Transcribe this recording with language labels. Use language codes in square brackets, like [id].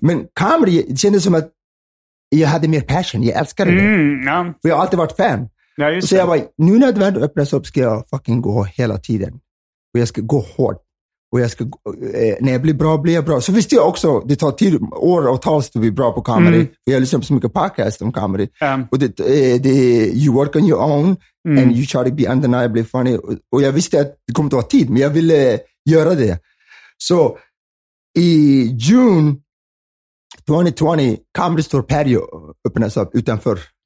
[sv] Men comedy, det kändes som att jag hade mer passion, jag älskade det. Ja. För jag har alltid varit fan. Ja, så jag bara, nu när världen öppnas upp ska jag fucking gå hela tiden. Och jag ska gå hårt. Och jag ska, när jag blir bra, blir jag bra. Så visste jag också, det tar tid, år och tals att bli bra på comedy. Mm. Jag lyssnar på så mycket podcast om comedy. Och det är, [en] you work on your own, and you try to be undeniably funny. [sv] Och jag visste att det kommer att ta tid, men jag ville göra det. Så i June 2020, Comedy Store Patio öppnades upp utanför.